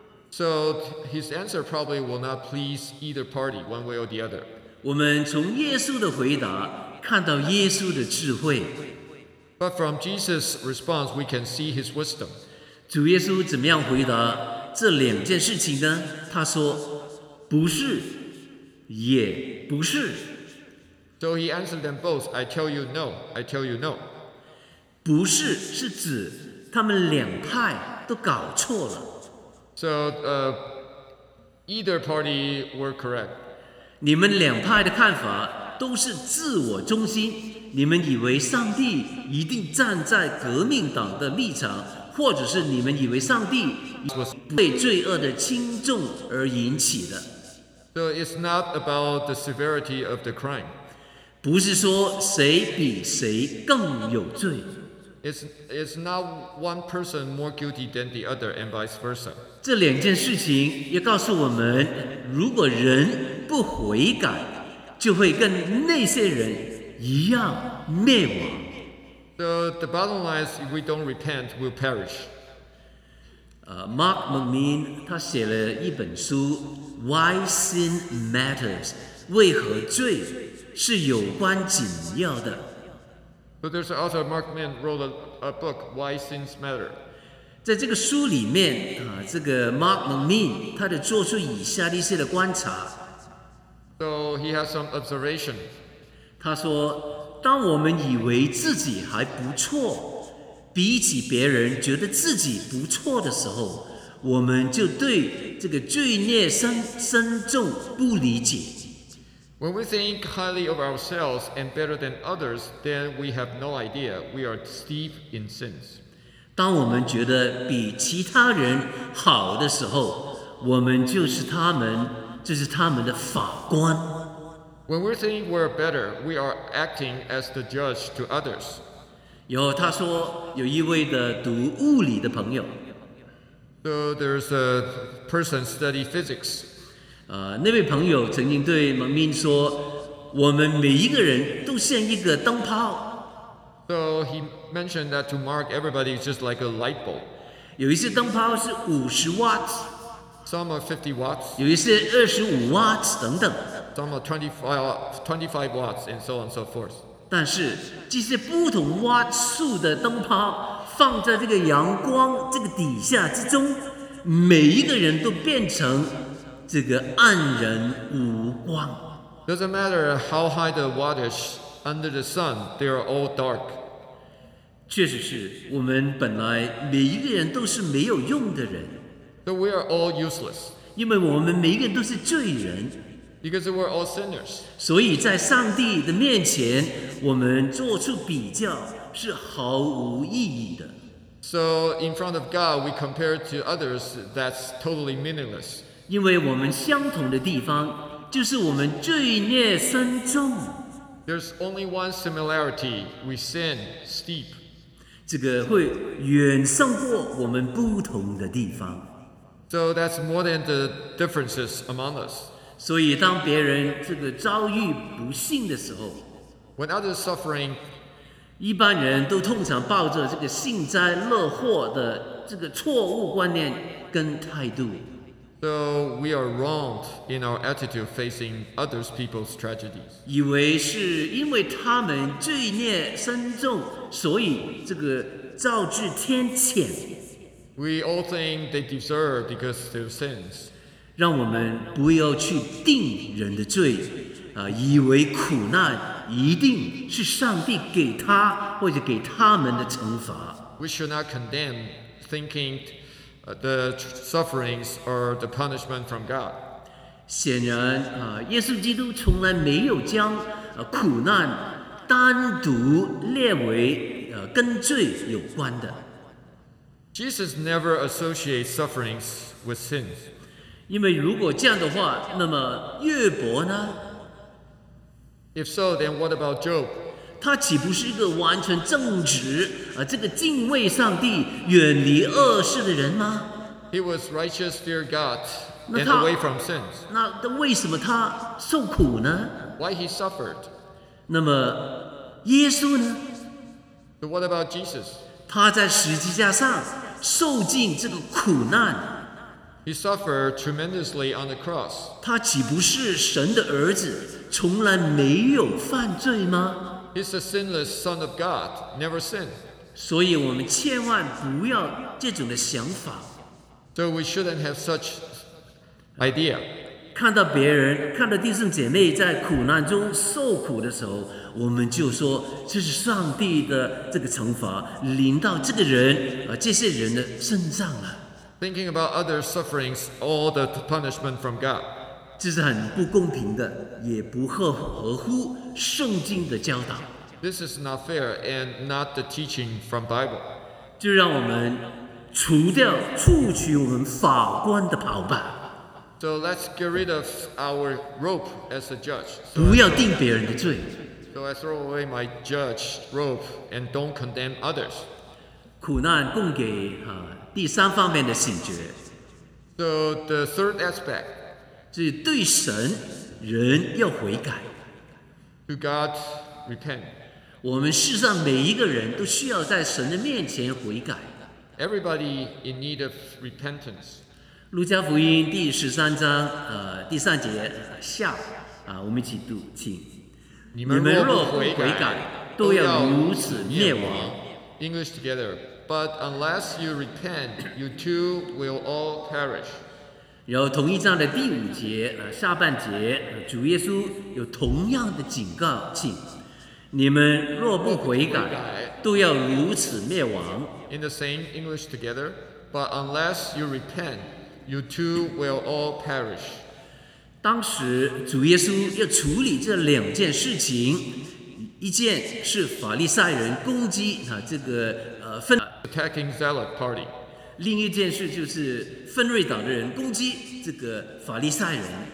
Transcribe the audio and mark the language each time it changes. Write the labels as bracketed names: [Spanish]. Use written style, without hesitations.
[English] So his answer probably will not please either party, one way or the other. [Chinese] 我们从耶稣的回答看到耶稣的智慧。 [English] But from Jesus' response, we can see his wisdom. [Chinese] 主耶稣怎么样回答这两件事情呢？他说，不是，也不是。 [English] So he answered them both, I tell you no, I tell you no. [Chinese] 不是是指他们两派都搞错了。 [English] So, either party were correct. [Chinese] 你们两派的看法都是自我中心，你们以为上帝一定站在革命党的立场，或者是你们以为上帝被罪恶的轻重而引起的。 [English] So it's not about the severity of the crime. [Chinese] 不是说谁比谁更有罪。 [English] It's not one person more guilty than the other, and vice versa. [Chinese] 这两件事情也告诉我们，如果人不悔改，就会跟那些人一样灭亡。 [English] The bottom line is, if we don't repent, we'll perish. [Chinese] Mark McMean 他写了一本书 ，Why Sin Matters， 为何罪是有关紧要的。 [English] But there's an author, Mark McMean, wrote a book, Why Sins Matter. [Chinese] 在这个书里面，这个 Mark McMean 他就做出以下的一些的观察。 [English] So he has some observation. [Chinese] 他说，当我们以为自己还不错，比起别人觉得自己不错的时候，我们就对这个罪孽深重不理解。 [English] When we think highly of ourselves and better than others, then we have no idea we are steeped in sins. [Chinese] 当我们觉得比其他人好的时候，我们就是他们，这是他们的法官。 [English] When we think we're better, we are acting as the judge to others. [Chinese] 有他说有一位的读物理的朋友。 [English] So there's a person study physics. [Chinese] 那位朋友曾经对蒙明说，我们每一个人都像一个灯泡。 [English] So he mentioned that to Mark, everybody is just like a light bulb. [Chinese] 有一些灯泡是50 watts. [English] Some are 50 watts. [Chinese] 有一些25 watts 等等。 [English] Some are 25 watts and so on and so forth. [Chinese] 但是这些不同 watt 数的灯泡放在这个阳光这个底下之中，每一个人都变成这个黯然无光。 [English] Doesn't matter how high the watt is under the sun, they are all dark. [Chinese] 确实是我们本来每一个人都是没有用的人。 [English] So we are all useless. [Chinese] 因为我们每一个人都是罪人。 [English] Because we're all sinners. [Chinese] 所以在上帝的面前，我们做出比较是毫无意义的。 [English] So in front of God, we compare to others, that's totally meaningless. [Chinese] 因为我们相同的地方就是我们罪孽深重。 [English] There's only one similarity, we sin steep. [Chinese] 这个会远胜过我们不同的地方。 [English] So that's more than the differences among us. [Chinese] 所以当别人这个遭遇不幸的时候， [English] When others suffering, [Chinese] 一般人都通常抱着这个幸灾乐祸的这个错误观念跟态度。 [English] So we are wrong in our attitude facing others people's tragedies. [Chinese] 以为是因为他们罪孽深重，所以这个造至天谴。 [English] We all think they deserve because of sins. [Chinese] 让我们不要去定人的罪，以为苦难一定是上帝给他或者给他们的惩罚。 [English] We should not condemn thinking. The sufferings are the punishment from God. [Chinese] 显然，耶稣基督从来没有将苦难单独列为跟罪有关的。 [English] Jesus never associates sufferings with sins. [Chinese] 因为如果这样的话，那么约伯呢 [English] ？If so, then what about Job? [Chinese] 他岂不是一个完全正直、这个敬畏上帝、远离恶事的人吗 [English] ？He was righteous, fear God, and away from sins. [Chinese] 那为什么他受苦呢 [English] ？Why he suffered? [Chinese] 那么耶稣呢 [English] ？But what about Jesus? [Chinese] 他在十字架上受尽这个苦难。 [English] He suffered tremendously on the cross. [Chinese] 他岂不是神的儿子，从来没有犯罪吗？ [English] He's a sinless son of God, never sinned. [Chinese] 所以我们千万不要这种的想法。 [English] So we shouldn't have such idea. [Chinese] 看到别人，看到弟兄姐妹在苦难中受苦的时候，我们就说这是上帝的这个惩罚临到这个人啊，这些人的身上了。 [English] Thinking about others' sufferings, all the punishment from God. [Chinese] 这是很不公平的，也不合乎圣经的教导。 [English] This is not fair and not the teaching from Bible. [Chinese] 就让我们除掉、除去我们法官的袍吧。 [English] So let's get rid of our rope as a judge. [Chinese] 不要定别人的罪。 [English] So I throw away my judge rope and don't condemn others. [Chinese] 苦难供给第三方面的醒觉。 [English] So the third aspect. [Chinese] 是对神人要悔改。 [English] To God, repent. [Chinese] 我们世上每一个人都需要在神的面前悔改。 [English] Everybody in need of repentance. [Chinese] 路加福音第十三章第三节下我们一起读，请。你们若不悔改，都要如此灭亡。 [English] English together. But unless you repent, you too will all perish. [Chinese] 然后同一章的第五节下半节主耶稣有同样的警告，请你们若不悔改都要如此灭亡。 [English] In the same English together, but unless you repent, you too will all perish. [Chinese] 当时主耶稣要处理这两件事情，一件是法利赛人攻击这个 [English] attacking zealot party， [Chinese] 另一件事就是分瑞党的人攻击这个法利赛人。